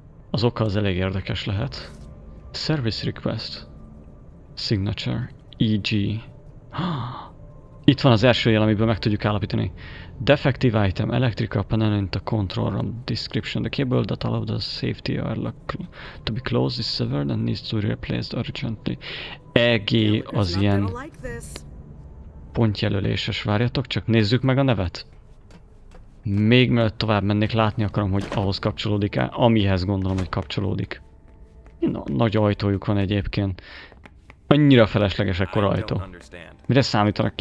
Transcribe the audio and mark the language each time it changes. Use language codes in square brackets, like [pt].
[hu] Az oka az elég érdekes lehet. [en] Service request. Signature. [hu] EG. Itt van az első jel, amiből meg tudjuk állapítani. [en] Defective item, electrical panel in the control room description. The cable that allowed the safety airlock to be closed is severed and needs to be replaced urgently. [hu] EG az ilyen pontjelöléses. Várjatok, csak nézzük meg a nevet. Még mielőtt tovább mennék, látni akarom, hogy ahhoz kapcsolódik-e, amihez gondolom, hogy kapcsolódik. Nagy ajtójuk van egyébként. Annyira feleslegesek kora ajtó. Mire számítanak?